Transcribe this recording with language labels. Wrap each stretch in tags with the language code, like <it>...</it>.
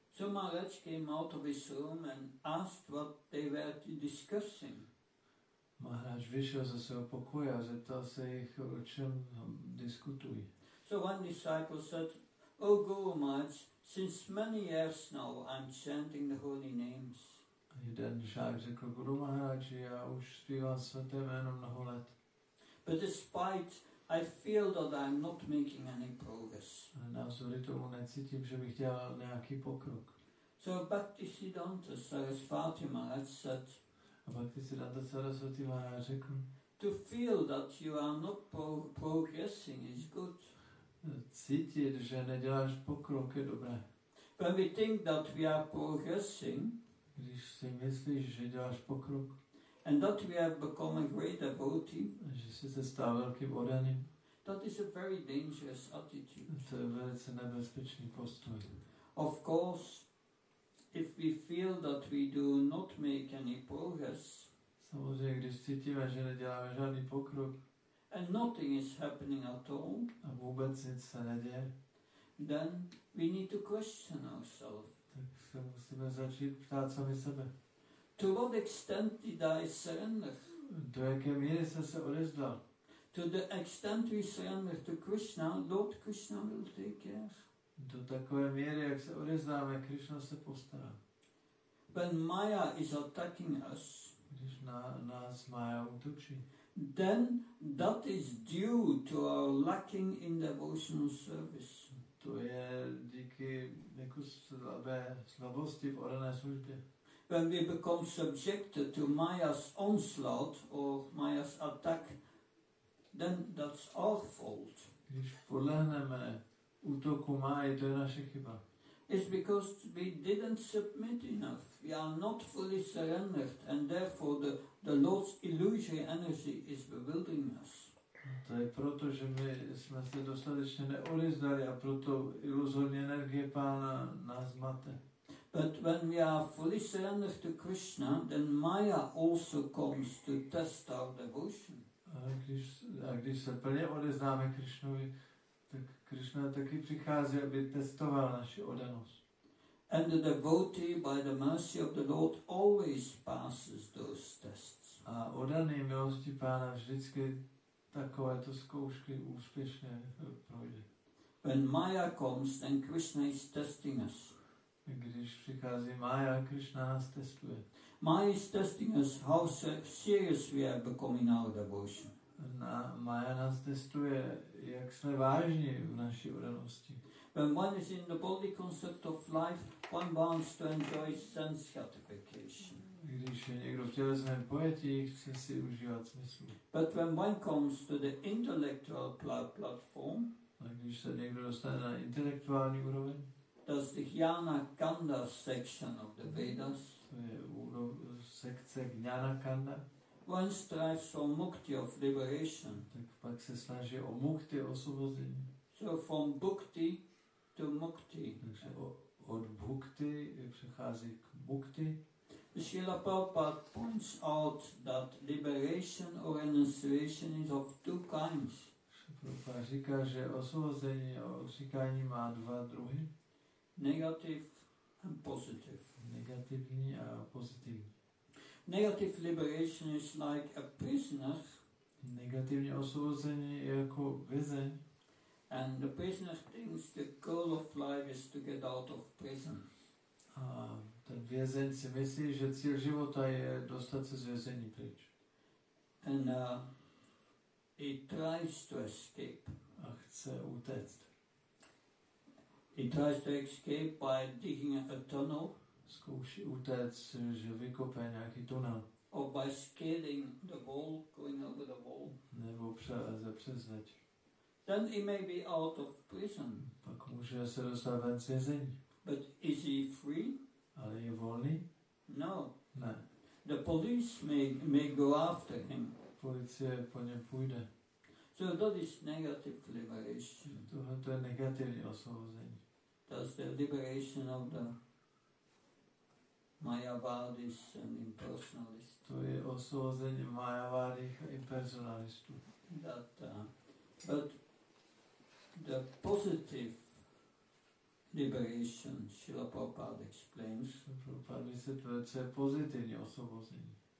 <en>So Maharaj came out of his room and asked what they were discussing.</en> <cs>Maharaj vyšel ze svého pokoje a zeptal se jich, o čem diskutují.</cs> <en>So one disciple said, O Guru Maharaj, since many years now I'm chanting the holy names.</en> <cs>A jeden žák řekl, Guru Maharaj, já už zpívám svaté jméno mnoho let.</cs> <en>But despite I feel that I'm not making any progress.</en> <cs>Navzdory tomu necítím, že bych dělal nějaký pokrok.</cs> <en>So Bhaktisiddhanta Sarasvati Maharaj said,</en> <cs>a Bhaktisiddhanta Sarasvati Maharaj řekl,</cs> <en>to feel that you are not progressing is good.</en> <cs>cítit, že neděláš pokrok, je dobré.</cs> <en>When we think that we are progressing,</en> <cs>když si myslíš, že děláš pokrok,</cs> <en>and that we have become a great devotee,</en> <cs>že jsi se stal velkým oddaným,</cs> <en>that is a very dangerous attitude.</en> <cs>To je velice nebezpečný postoj.</cs> <en>Of course, if we feel that we do not make any progress,</en> <cs>samozřejmě, když cítíme, že neděláme žádný pokrok,</cs> <en>and nothing is happening at all,</en> <cs>a vůbec nic se neděje,</cs> <en>then we need to question ourselves.</en> <cs>Tak se musíme začít ptát sami sebe.</cs> <en>To what extent did I surrender?</en> <cs>Do jaké míry jsem se odezdal?</cs> <en>To the extent we surrender to Krishna, Lord Krishna will take care.</en> <cs>Do takové míry, jak se odezdáme, Krishna se postará.</cs> <en>When Maya is attacking us,</en> <cs>když nás Maya útočí,</cs> <en>then that is due to our lacking in devotional service.</en> <cs>To je díky nějaké slabosti v orané službě.</cs> <en>When we become subjected to Maya's onslaught or Maya's attack, then that's our fault.</en> <cs>Když podlehneme útoku Maya, to je naše chyba.</cs> <en>It's because we didn't submit enough. We are not fully surrendered, and therefore the Lord's illusory energy is bewildering us.</en> <cs>To je proto, že my jsme se dostatečně neodezdali a proto iluzorní energie Pána nás mate.</cs> <en>But when we are fully surrendered to Krishna, then Maya also comes to test our devotion.</en> <cs>A když se plně odezdáme Krishnovi, tak Krishna taky přichází, aby testoval naši oddanost.</cs> <en>And the devotee, by the mercy of the Lord, always passes those tests.</en> <cs>A oddaný milosti Pána vždycky takovéto zkoušky úspěšně projde.</cs> <en>When Maya comes, then Krishna is testing us.</en> <cs>Když přichází Maya, Krishna nás testuje.</cs> <en>Maya is testing us how serious we are becoming our devotion.</en> <cs>Maya nás testuje, jak jsme vážní v naší oddanosti.</cs> <en>When one is in the bodily concept of life, one wants to enjoy sense gratification.</en> <cs>Když je někdo v tělesném pojetí, chce si užívat smysl.</cs> <en>But when one comes to the intellectual platform,</en> <cs>a když se někdo dostane na intelektuální úroveň,</cs> <en>does the Jnana Kanda section of the Vedas,</en> <cs>to je sekce Jnana Kanda,</cs> <en>one strives for mukti of liberation.</en> <cs>Tak pak se snaží o mukti, osvobození.</cs> <en>So from bhukti to mukti.</en> <cs>Takže od bhukti přechází k mukti.</cs> <en>Srila Prabhupada points out that liberation or renunciation is of two kinds.</en> <cs>Prabhupada říká, že osvobození a odříkání má dva druhy.</cs> <en>Negative and positive.</en> <cs>Negativní a pozitivní.</cs> <en>Negative liberation is like a prisoner.</en> <cs>Negativní osvobození je jako vězeň.</cs> <en>And the prisoner thinks the goal of life is to get out of prison.</en> <cs>A ten vězeň si myslí, že cíl života je dostat se z vězení pryč.</cs> <en>And he tries to escape.</en> <cs>A chce utéct.</cs> <en>He tries to escape by digging a tunnel.</en> <cs>Zkouší utéct, že vykopá nějaký tunel.</cs> <en>Or by scaling the wall, going over the wall.</en> <cs>Nebo přeleze přes zeď.</cs> <en>Then he may be out of prison.</en> <cs>Pak může se dostat ven z vězení.</cs> <en>But is he free?</en> <cs>Ale je volný?</cs> <en>No.</en> <cs>Ne.</cs> <en>The police may go after him.</en> <cs>Policie po něm půjde.</cs> <en>So that is negative liberation.</en> <cs>Tohle to je negativní osvobození.</cs> <en>Does the liberation of the Mayavadis and impersonalists.</en> <cs>To je osvobození Mayavadích a impersonalistů.</cs> <en>But the positive liberation, Srila Prabhupada explains.</en> <cs>Prabhupada vysvětluje, co je pozitivní osvobození.</cs>